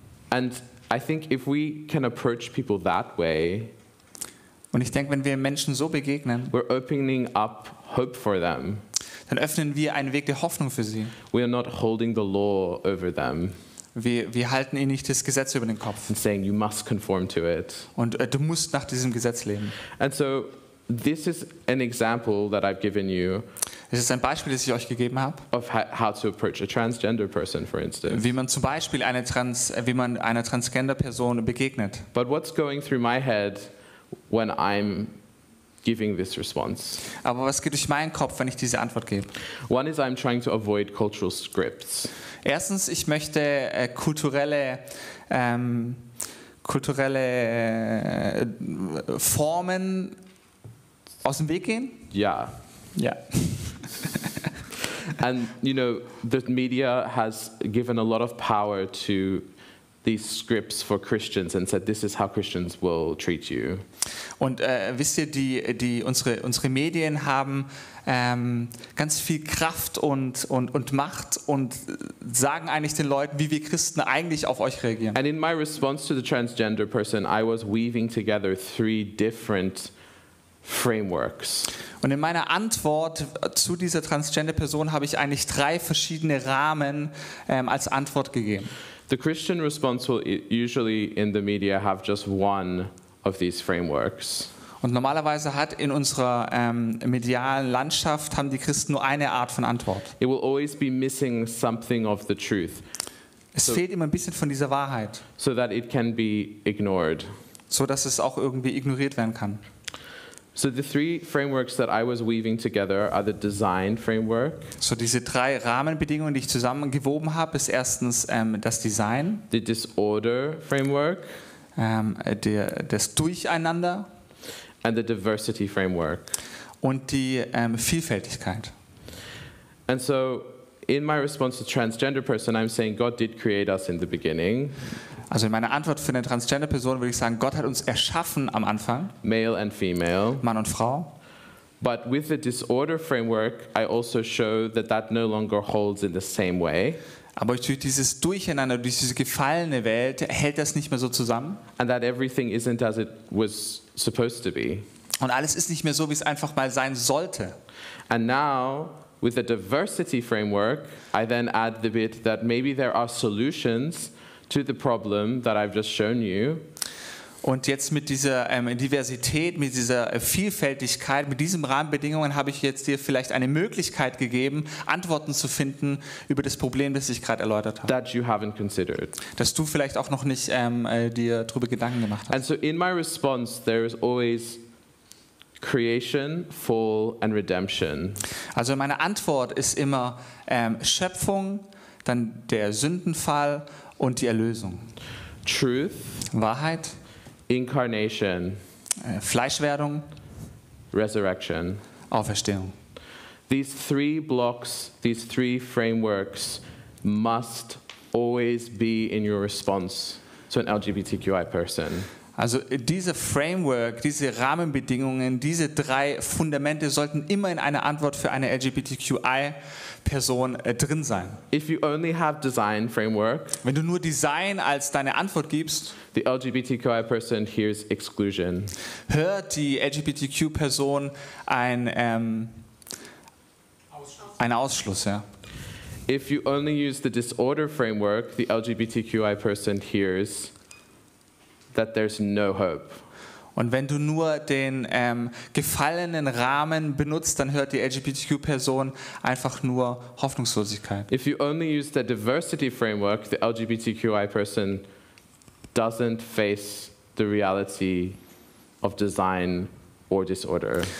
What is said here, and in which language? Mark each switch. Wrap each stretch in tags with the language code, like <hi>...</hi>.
<en>And I think if we can approach people that way,</en> <de>und ich denke, wenn wir Menschen so begegnen,</de> <en>we're opening up hope for them.</en> <de>Dann öffnen wir einen Weg der Hoffnung für sie.</de> <en>We are not holding the law over them.</en> <de>Wir halten ihnen nicht das Gesetz über den Kopf.</de> <en>And saying you must conform to it.</en> <de>Und du musst nach diesem Gesetz leben.</de> <en>And so this is an example that I've given you.</en> <de>Es ist ein Beispiel, das ich euch gegeben habe.</de> <en>Of how to approach a transgender person, for instance.</en> <de>Wie man zum Beispiel einer transgender Person begegnet.</de> <en>But what's going through my head when I'm giving this response.</en> <de>Aber was geht durch meinen Kopf, wenn ich diese Antwort gebe?</de> <en>One is I'm trying to avoid cultural scripts.</en> <de>Erstens, ich möchte kulturelle Formen aus dem Weg gehen. Yeah. Yeah.</de> <en>And you know, the media has given a lot of power to these scripts for Christians and said this is how Christians will treat you.</en> <de>Und wisst ihr, unsere Medien haben ganz viel Kraft und Macht und sagen eigentlich den Leuten, wie wir Christen eigentlich auf euch reagieren.</de> <en>And in my response to the transgender person, I was weaving together three different frameworks.</en> <de>Und in meiner Antwort zu dieser transgender Person habe ich eigentlich drei verschiedene Rahmen als Antwort gegeben.</de> <en>The Christian response will usually in the media have just one of these frameworks.</en> <de>Und normalerweise hat in unserer medialen Landschaft haben die Christen nur eine Art von Antwort.</de> <en>It will always be missing something of the truth.</en> <de>Es fehlt immer ein bisschen von dieser Wahrheit.</de> <en>So that it can be ignored.</en> <de>So dass es auch irgendwie ignoriert werden kann.</de> <en>So the three frameworks that I was weaving together are the design framework.</en> <de>So diese drei Rahmenbedingungen, die ich zusammengewoben habe, ist erstens das Design.</de> <en>The disorder framework.</en> <de>Das Durcheinander.</de> <en>And the diversity framework.</en> <de>Und die Vielfältigkeit.</de> <en>And so in my response to transgender person, I'm saying God did create us in the beginning.</en> <de>Also in meiner Antwort für eine transgender Person würde ich sagen, Gott hat uns erschaffen am Anfang.</de> <en>Male and female.</en> <de>Mann und Frau.</de> <en>But with the disorder framework, I also show that that no longer holds in the same way.</en> <de>Aber durch dieses Durcheinander, durch diese gefallene Welt, hält das nicht mehr so zusammen.</de> <en>And that everything isn't as it was supposed to be.</en> <de>Und alles ist nicht mehr so, wie es einfach mal sein sollte.</de> <en>And now, with the diversity framework, I then add the bit that maybe there are solutions to the problem that I've just shown you.</en> <de>Und jetzt mit dieser Diversität, mit dieser Vielfältigkeit, mit diesen Rahmenbedingungen habe ich jetzt dir vielleicht eine Möglichkeit gegeben, Antworten zu finden über das Problem, das ich gerade erläutert habe.</de> <en>That you haven't considered.</en> <de>Dass du vielleicht auch noch nicht dir darüber Gedanken gemacht hast.</de> <en>And so in my response there is always creation, fall and redemption.</en> <de>Also meine Antwort ist immer Schöpfung, dann der Sündenfall und die Erlösung.</de> <en>Truth,</en> <de>Wahrheit,</de> <en>Incarnation,</en> <de>Fleischwerdung,</de> <en>Resurrection,</en> <de>Auferstehung.</de> <en>These three blocks, these three frameworks must always be in your response to an LGBTQI person.</en> <de>Also diese Framework, diese Rahmenbedingungen, diese drei Fundamente sollten immer in einer Antwort für eine LGBTQI Person drin sein.</de> <en>If you only have design framework,</en> <de>wenn du nur Design als deine Antwort gibst,</de> <en>the LGBTQI person hears exclusion.</en> <de>Hört die LGBTQ Person einen Ausschluss, ja.</de> <en>If you only use the disorder framework, the LGBTQI person hears that there's no hope.</en> <de>Und wenn du nur den gefallenen Rahmen benutzt, dann hört die LGBTQ-Person einfach nur Hoffnungslosigkeit.</de> <en>If you only use the diversity framework, the LGBTQI person doesn't face the reality of design or disorder.</en>